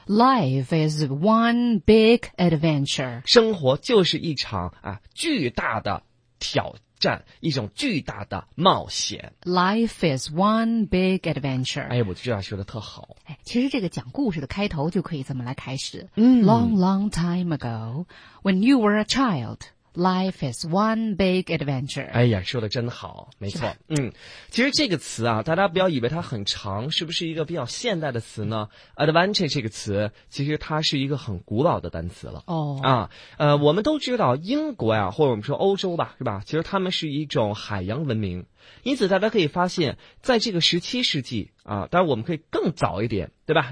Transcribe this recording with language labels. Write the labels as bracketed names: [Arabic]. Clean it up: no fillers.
[English] ，Life is one big adventure， [Chinese] 生活就是一场啊巨大的挑战。一种巨大的冒险。 [English] Life is one big adventure。 [Chinese] 哎，我这样说的特好。哎，其实这个讲故事的开头就可以这么来开始。嗯 [English] ，Long, long time ago, when you were a child, life is one big adventure。 [Chinese] 哎呀，说的真好，没错。嗯，其实这个词啊，大家不要以为它很长，是不是一个比较现代的词呢 ？Adventure 这个词，其实它是一个很古老的单词了。哦。啊，我们都知道英国呀，或者我们说欧洲吧，是吧？其实他们是一种海洋文明，因此大家可以发现，在这个17世纪啊，当然我们可以更早一点，对吧？